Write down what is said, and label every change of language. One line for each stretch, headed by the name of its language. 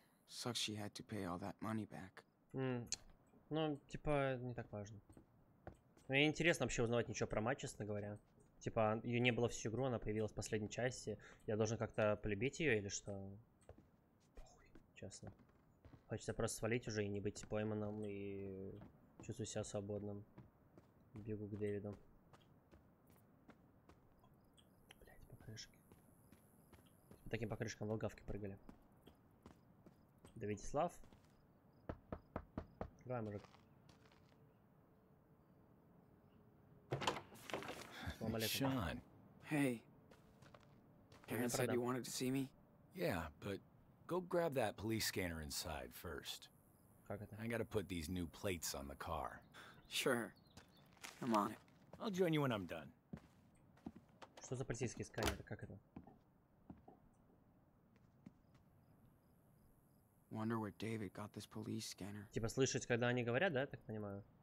English: Sucks she had to pay all that money back.
Russian: Ну, типа, не так важно. Мне интересно вообще узнавать ничего про мать, честно говоря. Типа, ее не было всю игру, она появилась в последней части. Я должен как-то полюбить ее или что? Похуй, честно. Хочется просто свалить уже и не быть пойманным, и чувствую себя свободным. Бегу к Дэвиду. По таким покрышкам в Волгавке прыгали. Да, Витислав. Давай, мужик. Шон.
English: Hey. Parents said you wanted to see me. Yeah, but go grab that police scanner inside first.
Russian: Как это?
English: I gotta put these new plates on the car. Sure. I'm on it. I'll join you when I'm done.
Russian: Что за полицейский сканер? Как это?
English: Wonder where David got this police scanner.
Russian: Типа слышать, когда они говорят, да, так понимаю.